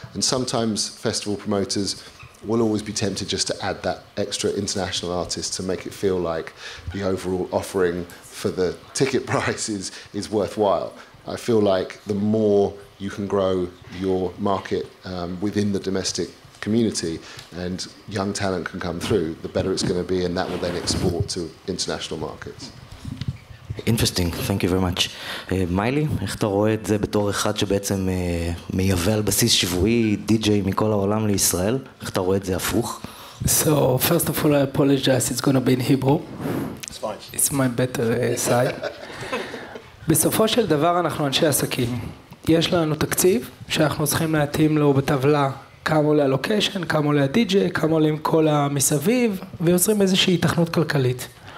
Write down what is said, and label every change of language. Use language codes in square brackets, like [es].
[en] And sometimes festival promoters will always be tempted just to add that extra international artist to make it feel like the overall offering for the ticket price is worthwhile. I feel like the more you can grow your market within the domestic community and young talent can come through, the better it's going to be, and that will then export to international markets. Interesting, thank you very much. [he] מיילי, איך אתה רואה את זה בתור אחד שבעצם מייבא על בסיס שבועי די-ג'יי מכל העולם לישראל? איך אתה רואה את זה הפוך? [en] So, first of all, I apologize, it's going to be in Hebrew. It's fine. It's my better side. [he] בסופו של דבר אנחנו אנשי עסקים. יש לנו תקציב שאנחנו צריכים להתאים לו בטבלה כמה עולה הלוקיישן, כמה עולה הדי-ג'יי, כמה עולה עם כל המסביב, ויוצרים איזושהי התכנות כלכלית.